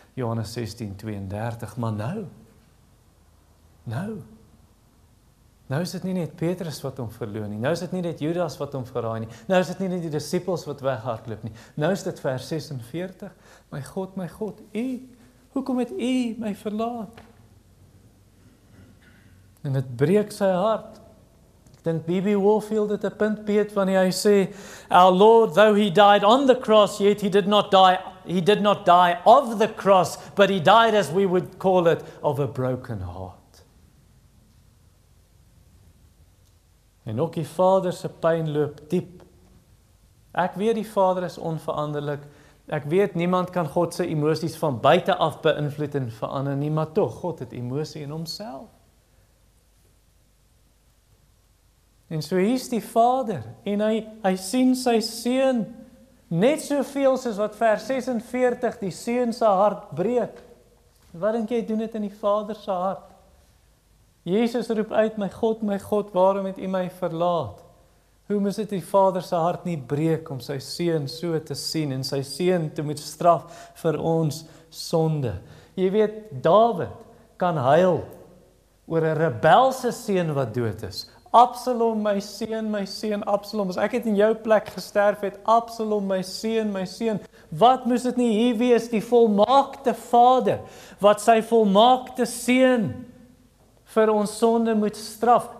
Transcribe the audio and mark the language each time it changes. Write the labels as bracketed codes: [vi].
[af] Johannes 16, 32, maar nou is dit nie net Petrus wat hom verloor nie, nou is dit nie net Judas wat hom verraai nie, nou is dit nie net die disippels wat weghardloop nie, nou is dit vers 46, my God, u, hoekom het u my verlaat? En het breek sy hart, ek dink B.B. Warfield het 'n punt beet, wanneer hy sê, [en] our Lord, though he died on the cross, yet he did not die of the cross, but he died, as we would call it, of a broken heart. [af] En ook die Vader se pyn loop diep. Ek weet die Vader is onveranderlik. Ek weet niemand kan God se emosies van buite af beïnvloed en verander nie, maar toch, God het emosie in homself. En so hier is die Vader, en hy sien sy Seun, net soveel soos wat vers 46 die Seun se hart breek. Wat dink jy doen dit in die Vader se hart? Jesus roep uit, my God, waarom het u my verlaat? Hoe moes dit die Vader se hart nie breek om sy Seun so te sien en sy Seun te moet straf vir ons sonde? Jy weet, Dawid kan huil oor 'n rebelse seun wat dood is. Absalom, my seun, Absalom, as ek het in jou plek gesterf het, Absalom, my seun, wat moes dit nie hier wees, die volmaakte Vader, wat sy volmaakte seun vir ons sonde moet straf,